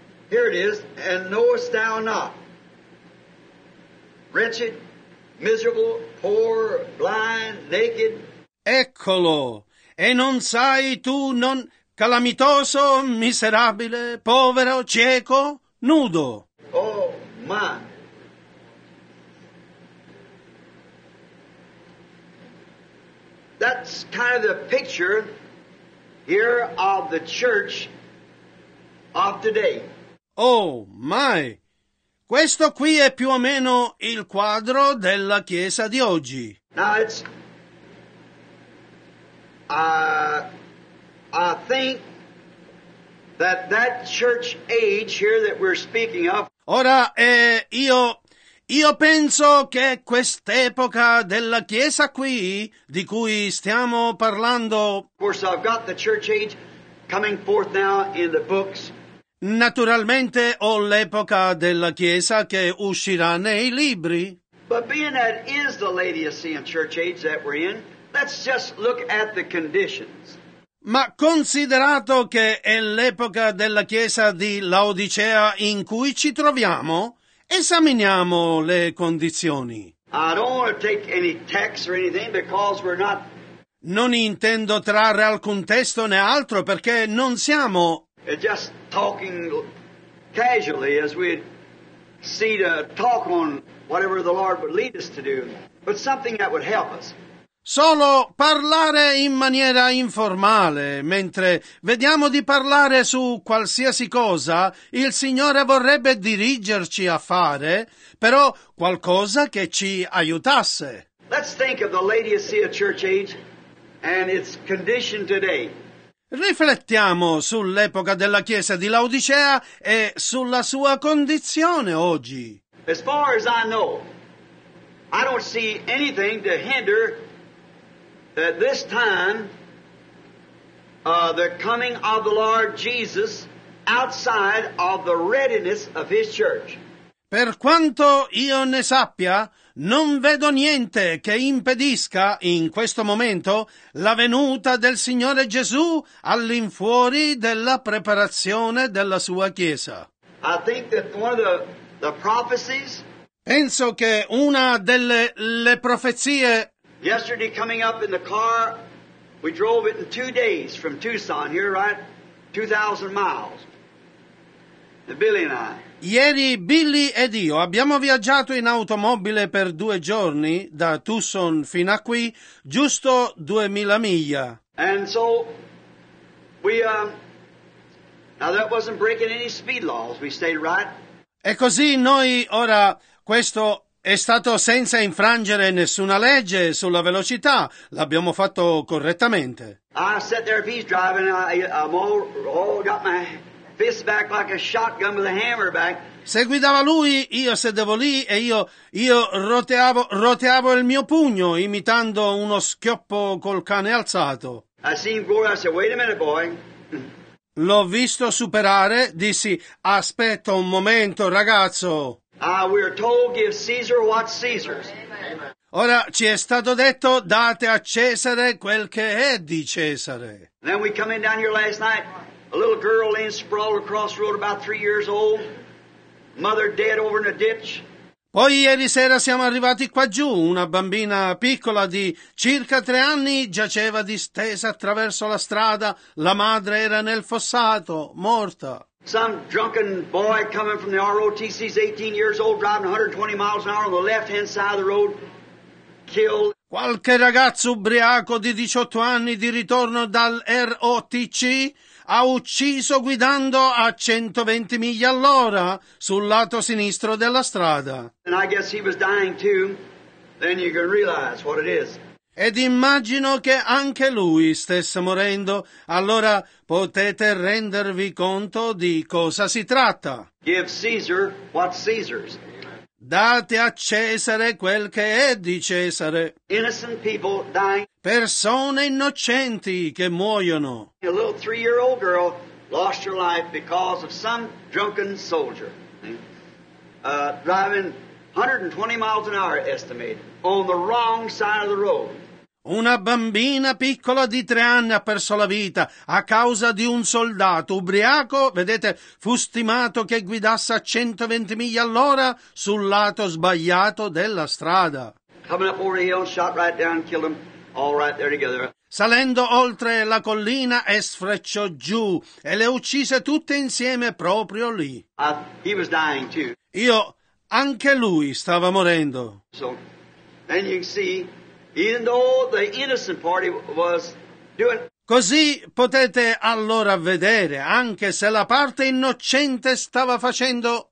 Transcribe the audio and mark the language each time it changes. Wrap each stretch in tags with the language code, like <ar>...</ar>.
<en>Here it is, and knowest thou not, wretched, miserable, poor, blind, naked.</en> <it>Eccolo, e non sai tu non calamitoso, miserabile, povero, cieco, nudo.</it> <en>Oh, my. That's kind of the picture here of the church of today. Oh, my.</en> <it>Questo qui è più o meno il quadro della Chiesa di oggi.</it> <en>Now it's, I think that that church age here that we're speaking of.</en> <it>Ora, io penso che quest'epoca della Chiesa qui, di cui stiamo parlando.</it> <en>Of course, I've got the church age coming forth now in the books.</en> <it>Naturalmente ho l'epoca della Chiesa che uscirà nei libri.</it> <en>But being that is the Laodicean church age that we're in, let's just look at the conditions.</en> <it>Ma considerato che è l'epoca della Chiesa di Laodicea in cui ci troviamo, esaminiamo le condizioni.</it> <en>I don't want to take any text or anything because we're not.</en> <it>Non intendo trarre alcun testo né altro perché non siamo.</it> <en>It's just talking casually as we'd see to talk on whatever the Lord would lead us to do, but something that would help us.</en> <it>Solo parlare in maniera informale, mentre vediamo di parlare su qualsiasi cosa il Signore vorrebbe dirigerci a fare, però qualcosa che ci aiutasse.</it> <en>Let's think of the Laodicea church age and its condition today.</en> <it>Riflettiamo sull'epoca della Chiesa di Laodicea e sulla sua condizione oggi.</it> <en>As far as I know, I don't see anything to hinder at this time the coming of the Lord Jesus outside of the readiness of his church.</en> <it>Per quanto io ne sappia, non vedo niente che impedisca in questo momento la venuta del Signore Gesù all'infuori della preparazione della sua Chiesa.</it> <en>I think that one of the prophecies.</en> <it>Penso che una delle le profezie.</it> <en>Yesterday coming up in the car, we drove it in 2 days from Tucson here, right? 2,000 miles. Billy and I.</en> <it>Ieri Billy ed io abbiamo viaggiato in automobile per 2 giorni, da Tucson fino a qui, giusto 2000 miglia.</it> <en>And so, we, now that wasn't breaking any speed laws, we stayed right.</en> <it>E così noi ora, questo è stato senza infrangere nessuna legge sulla velocità, l'abbiamo fatto correttamente.</it> <en>I sat there, he's driving, I'm all got my fist back like a shotgun with a hammer back.</en> <it>Se guidava lui, io sedevo lì e io roteavo il mio pugno imitando uno schioppo col cane alzato.</it> <en>I see him go, I said, wait a minute, boy.</en> <it>L'ho visto superare, dissi, aspetta un momento, ragazzo.</it> <en>We are told, give Caesar what's Caesar's.</en> <it>Ora ci è stato detto, date a Cesare quel che è di Cesare.</it> <en>Then we come in down here last night. A little girl in sprawl across the road, about 3 years old. Mother dead over in a ditch.</en> <it>Poi ieri sera siamo arrivati qua giù. Una bambina piccola di circa 3 anni giaceva distesa attraverso la strada. La madre era nel fossato, morta.</it> <en>Some drunken boy coming from the ROTC is 18 years old, driving 120 miles an hour on the left-hand side of the road, killed.</en> <it>Qualche ragazzo ubriaco di 18 anni di ritorno dal ROTC ha ucciso guidando a 120 miglia all'ora sul lato sinistro della strada.</it> <en>And I guess he was dying too. Then you can realize what it is.</en> <it>Ed immagino che anche lui stesse morendo. Allora potete rendervi conto di cosa si tratta.</it> <en>Give Caesar what Caesar's.</en> <it>Date a Cesare quel che è di Cesare.</it> <en>Innocent people dying.</en> <it>Persone innocenti che muoiono.</it> <en>A little 3-year-old girl lost her life because of some drunken soldier. Driving 120 miles an hour estimated on the wrong side of the road.</en> <it>Una bambina piccola di 3 anni ha perso la vita a causa di un soldato ubriaco, vedete, fu stimato che guidasse a 120 miglia all'ora sul lato sbagliato della strada.</it> <en>Coming up over the hill, shot right down, killed him, all right there together.</en> <it>Salendo oltre la collina e sfrecciò giù e le uccise tutte insieme proprio lì.</it> <en>He was dying too.</en> <it>Io, anche lui stava morendo.</it> <en>So, then you can see. Even though the innocent party was doing. Così potete allora vedere anche se la parte innocente stava facendo.</en>